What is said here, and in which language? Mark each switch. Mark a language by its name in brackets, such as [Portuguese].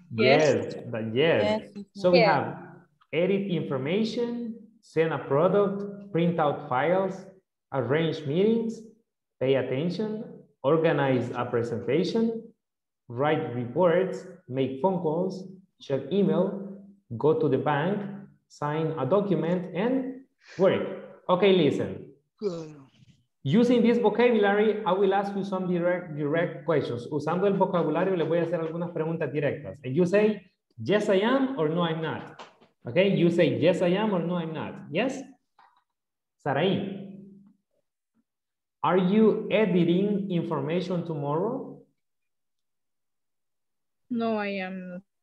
[English] Yes. Yes. So we have edit information, send a product, print out files, arrange meetings, pay attention, organize a presentation, write reports, make phone calls, check email, go to the bank, sign a document, and work. Okay, listen. Using this vocabulary, I will ask you some direct questions. [Spanish] Usando el vocabulario, le voy a hacer algunas preguntas directas. [English] And you say, yes, I am, or no, I'm not. Okay, you say, yes, I am, or no, I'm not. Yes? Sarai, are you editing information tomorrow? No, I am not.